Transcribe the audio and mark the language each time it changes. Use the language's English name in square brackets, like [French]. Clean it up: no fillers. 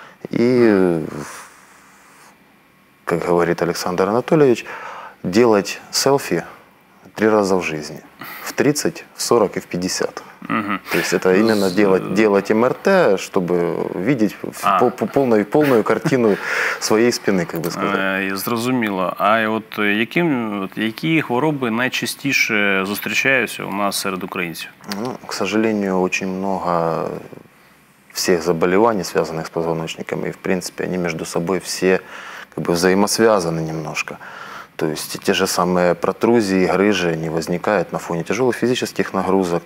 [Russian] И, как говорит Александр Анатольевич, делать селфи три раза в жизни. В 30, в 40 и в 50. Угу. То есть это именно делать МРТ, чтобы видеть полную картину своей спины, как бы сказать. [Ukrainian] Зрозуміло. А от які хвороби найчастіше зустрічаються у нас серед українців? [Russian] Ну, к сожалению, очень много всех заболеваний, связанных с позвоночником, и в принципе они между собой все как бы взаимосвязаны немножко. То есть те же самые протрузии, грыжи, они возникают на фоне тяжелых физических нагрузок.